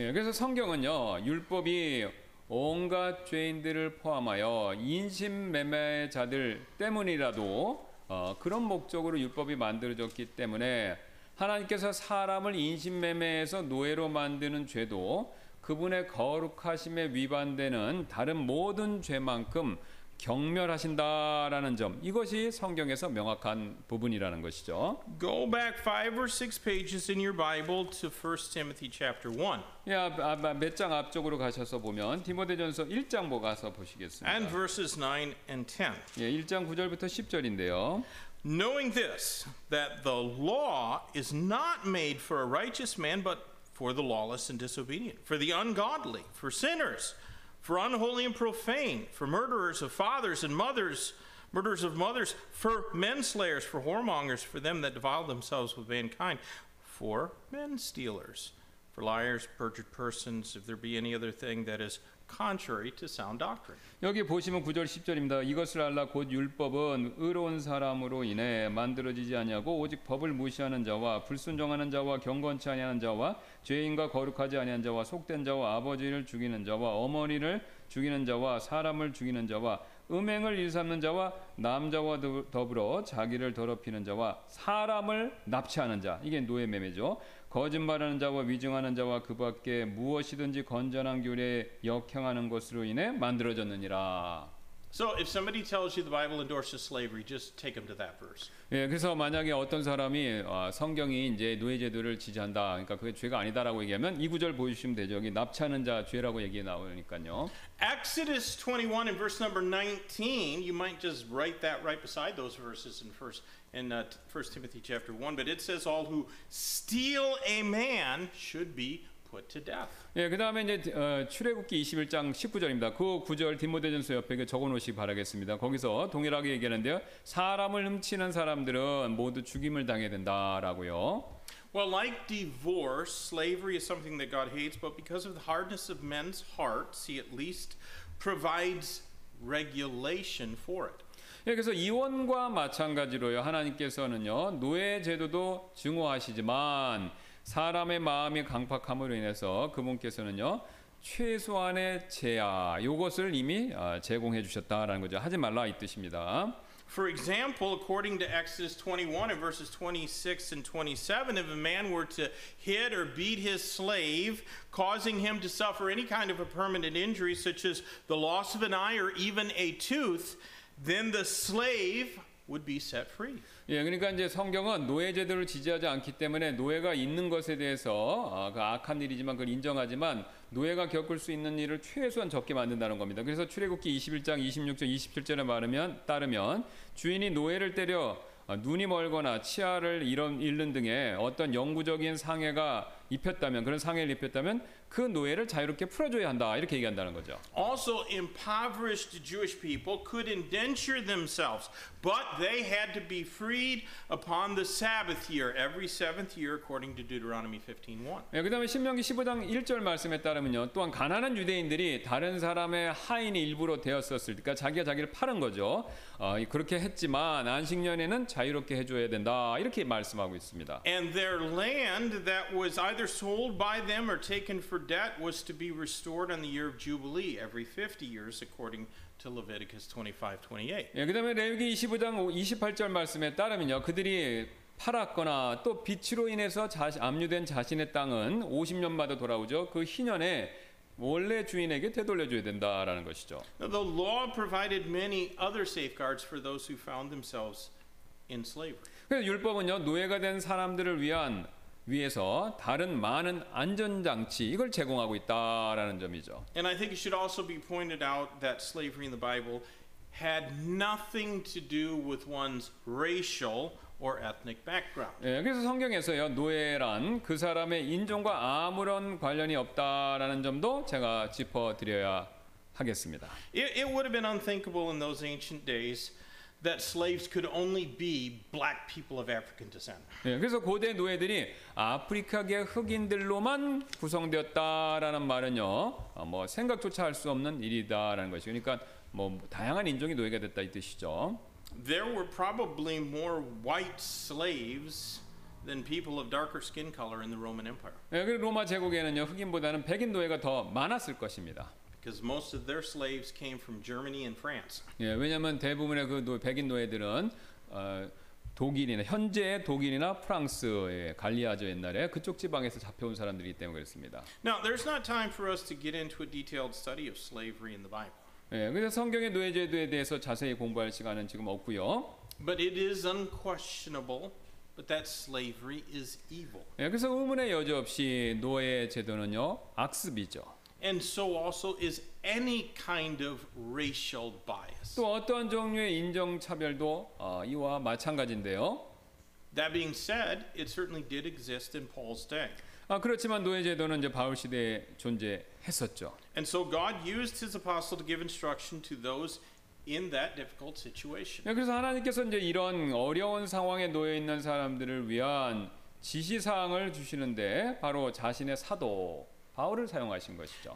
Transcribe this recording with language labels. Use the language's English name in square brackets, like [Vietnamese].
[Korean] 예, 그래서 성경은요, 율법이 온갖 죄인들을 포함하여 인신매매자들 때문이라도 그런 목적으로 율법이 만들어졌기 때문에 하나님께서 사람을 인신매매해서 노예로 만드는 죄도 그분의 거룩하심에 위반되는 다른 모든 죄만큼 경멸하신다라는 점 이것이 성경에서 명확한 부분이라는 것이죠. [English] Go back 5 or 6 pages in your Bible to 1 Timothy chapter 1. [Korean] 야, 몇 장 앞쪽으로 가셔서 보면 디모데전서 1장 보가서 보시겠습니다. [English] And verses 9 and 10. [Korean] 예, 1장 9절부터 10절인데요. [English] Knowing this, that the law is not made for a righteous man, but for the lawless and disobedient, for the ungodly, for sinners, for unholy and profane, for murderers of fathers and mothers, murderers of mothers, for menslayers, for whoremongers, for them that defile themselves with mankind, for menstealers, for liars, perjured persons, if there be any other thing that is contrary to sound doctrine. [Korean] 여기 보시면 9절 10절입니다. 이것을 알라 곧 율법은 의로운 사람으로 인해 만들어지지 아니하고 오직 법을 무시하는 자와 불순종하는 자와 경건치 아니하는 자와 죄인과 거룩하지 아니한 자와 속된 자와 아버지를 죽이는 자와 어머니를 죽이는 자와 사람을 죽이는 자와 음행을 일삼는 자와 남자와 더불어 자기를 더럽히는 자와 사람을 납치하는 자 이게 노예매매죠. 거짓말하는 자와 위증하는 자와 그 밖에 무엇이든지 건전한 교리에 역행하는 것으로 인해 만들어졌느니라. [English] So if somebody tells you the Bible endorses slavery, just take them to that verse. [Korean] 예, 그래서 만약에 어떤 사람이 성경이 이제 노예제도를 지지한다, 그러니까 그게 죄가 아니다라고 얘기하면 이 구절 보여주시면 되죠. 여기 납치하는 자 죄라고 얘기 나오니까요. [English] Exodus 21 and verse number 19, you might just write that right beside those verses in First Timothy chapter 1, but it says all who steal a man should be put to death. [Korean] 예, 그다음에 이제 출애굽기 21장 19절입니다. 그 구절 디모데전서 옆에 적어 놓으시기 바라겠습니다. 거기서 동일하게 얘기하는데요. 사람을 훔치는 사람들은 모두 죽임을 당해야 된다라고요. [English] Well, like divorce, slavery is something that God hates, but because of the hardness of men's hearts, he at least provides regulation for it. [Korean] 예, 그래서 이혼과 마찬가지로요. 하나님께서는요. 노예 제도도 증오하시지만 사람의 마음이 강팍함으로 인해서 그분께서는요 최소한의 제아 요것을 이미 제공해 주셨다라는 거죠. 하지 말라 이 뜻입니다. [English] For example, according to Exodus 21 and verses 26 and 27, if a man were to hit or beat his slave, causing him to suffer any kind of a permanent injury, such as the loss of an eye or even a tooth, then the slave would be set free. [Korean] 예, 그러니까 이제 성경은 노예 제도를 지지하지 않기 때문에 노예가 있는 것에 대해서 그 악한 일이지만 그걸 인정하지만 노예가 겪을 수 있는 일을 최소한 적게 만든다는 겁니다. 그래서 출애굽기 21장 26절 27절에 따르면 주인이 노예를 때려 눈이 멀거나 치아를 잃는 등의 어떤 영구적인 상해가 입혔다면 그런 상해를 입혔다면 그 노예를 자유롭게 풀어줘야 한다 이렇게 얘기한다는 거죠. [English] Also, impoverished Jewish people could indenture themselves, but they had to be freed upon the Sabbath year, every seventh year, according to Deuteronomy 15:1. [Korean] 예, 그다음에 신명기 15장 1절 말씀에 따르면요, 또한 가난한 유대인들이 다른 사람의 하인이 일부러 되었었을 때, 그러니까 자기가 자기를 파는 거죠. 그렇게 했지만 안식년에는 자유롭게 해줘야 된다 이렇게 말씀하고 있습니다. [English] And their land that was either sold by them or taken for debt was to be restored on the year of Jubilee every 50 years according to Leviticus 25:28. [Korean] 예, 그다음에 레위기 25장 28절 말씀에 따르면요. 그들이 팔았거나 또 빚으로 인해서 압류된 자신의 땅은 50년마다 돌아오죠. 그 희년에 원래 주인에게 되돌려줘야 된다라는 것이죠. [English] Now, the law provided many other safeguards for those who found themselves in slavery. [Korean] 그래서 율법은요. 노예가 된 사람들을 위해서 다른 많은 안전장치 이걸 제공하고 있다라는 점이죠. [English] And I think it should also be pointed out that slavery in the Bible had nothing to do with one's racial or ethnic background. [Korean] 예, 그래서 성경에서요 노예란 그 사람의 인종과 아무런 관련이 없다라는 점도 제가 짚어드려야 하겠습니다. [English] It would have been unthinkable in those ancient days that slaves could only be black people of African descent. [Korean] 예, 그래서 고대 노예들이 아프리카계 흑인들로만 구성되었다라는 말은요, 뭐 생각조차 할 수 없는 일이다라는 것이. 그러니까 뭐 다양한 인종이 노예가 됐다 이 뜻이죠. [English] There were probably more white slaves than people of darker skin color in the Roman Empire. [Korean] 예, 그 로마 제국에는요, 흑인보다는 백인 노예가 더 많았을 것입니다. [English] Because most of their slaves came from Germany and France. [Korean] 예, 왜냐면 대부분의 그 노예, 백인 노예들은 독일이나 현재의 독일이나 프랑스의 갈리아죠 옛날에 그쪽 지방에서 잡혀온 사람들이기 때문에 그랬습니다. [English] Now, there's not time for us to get into a detailed study of slavery in the Bible. [Korean] 예, 그래서 성경의 노예제도에 대해서 자세히 공부할 시간은 지금 없고요. [English] But it is unquestionable. But that slavery is evil. [Korean] 예, 그래서 의문의 여지 없이 노예 제도는요 악습이죠. [English] And so also is any kind of racial bias. [Korean] 또 어떤 종류의 인종 차별도 이와 마찬가지인데요. [English] That being said, it certainly did exist in Paul's day. [Korean] 아 그렇지만 노예 제도는 이제 바울 시대에 존재했었죠. [English] And so God used His apostle to give instruction to those. In that difficult situation. [Korean] 예, 그래서 하나님께서 이제 이런 어려운 상황에 놓여 있는 사람들을 위한 지시 사항을 주시는데 바로 자신의 사도 바울을 사용하신 것이죠.